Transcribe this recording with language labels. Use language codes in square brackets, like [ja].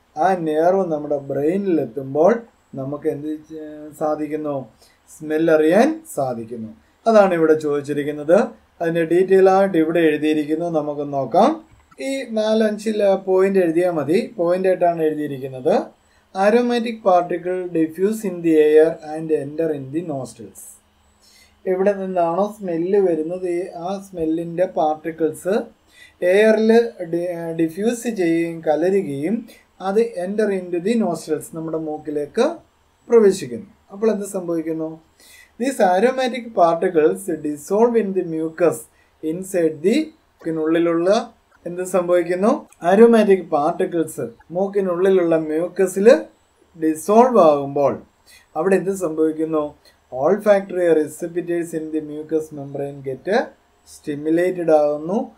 [ml] ആ നേർവ് നമ്മുടെ ബ്രെയിനിൽ എത്തുമ്പോൾ നമുക്ക് എന്ത് സാധിക്കുന്നു, സ്മെല്ല് അറിയാൻ സാധിക്കുന്നു. അതാണ് ഇവിടെ ചോദിച്ചിരിക്കുന്നത്, അതിൻ്റെ ഡീറ്റെയിൽ ആയിട്ട് ഇവിടെ എഴുതിയിരിക്കുന്നു, നമുക്ക് നോക്കാം. ഈ 4-5 പോയിന്റ് എഴുതിയാൽ മതി, പോയിന്റ് ആയിട്ടാണ് എഴുതിയിരിക്കുന്നത്. [en] Aromatic particle diffuse in the air and enter in the nostrils. [ml] എവിടെ നിന്നാണോ സ്മെല്ല് വരുന്നത്, ആ സ്മെല്ലിൻ്റെ പാർട്ടിക്കിൾസ് എയറിൽ ഡിഫ്യൂസ് ചെയ്യുകയും കലരുകയും അത് [en] enter in to the nostrils [ml] നമ്മുടെ മൂക്കിലേക്ക് പ്രവേശിക്കുന്നു. അപ്പോൾ എന്ത് സംഭവിക്കുന്നു, [en] these aromatic particles dissolve in the mucus inside [ml] ദിക്കിനുള്ളിലുള്ള എന്ത് സംഭവിക്കുന്നു, ആരോമാറ്റിക് പാർട്ടിക്കിൾസ് മൂക്കിനുള്ളിലുള്ള മ്യൂക്കസിൽ ഡിസോൾവ് ആകുമ്പോൾ അവിടെ എന്ത് സംഭവിക്കുന്നു, [en] olfactory receptors in the mucus membrane get stimulated [ml] ആകുന്നു.